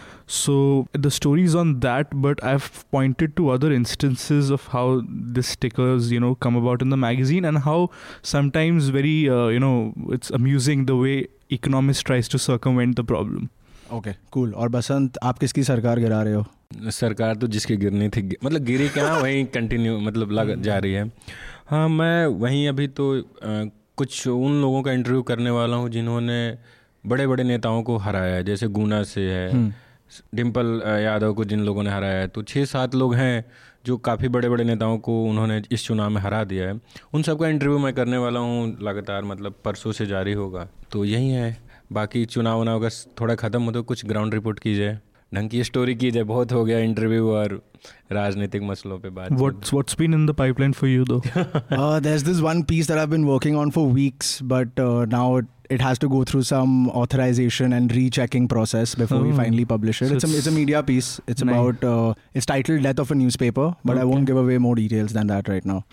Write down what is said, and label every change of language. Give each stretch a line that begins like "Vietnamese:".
English: So the story is on that, but I've pointed to other instances of how this stickers, you know, come about in the magazine and how sometimes very, you know, it's amusing the way Economist tries to circumvent the problem. Okay, cool.
Hindi: Aur Basant, aap kiski sarkar gira rahe ho? सरकार तो जिसके गिरनी थी मतलब गिरी क्या वहीं continue मतलब लग जा रही है हाँ मैं वहीं अभी तो कुछ उन लोगों का इंटरव्यू करने वाला हूँ जिन्होंने बड़े बड़े नेताओं को हराया है जैसे गुना से है डिंपल यादव को जिन लोगों ने हराया है तो 6-7 लोग हैं जो काफ़ी बड़े बड़े नेताओं को उन्होंने इस चुनाव में हरा दिया है उन सबका इंटरव्यू मैं करने वाला हूँ लगातार मतलब परसों से जारी होगा तो यही है बाकी चुनाव वुनाव का थोड़ा ख़त्म हो तो कुछ ग्राउंड रिपोर्ट कीजिए ढंग की स्टोरी की जाए, बहुत हो गया इंटरव्यू और राजनीतिक मसलों पे बात.
English: What's been in the pipeline for you though? There's this one piece that I've been working on for weeks, but now it has to go through some authorization and rechecking process before we finally publish it. So it's a media piece. It's nice. About it's titled Death of a Newspaper, but okay. I won't give away more details than that right now.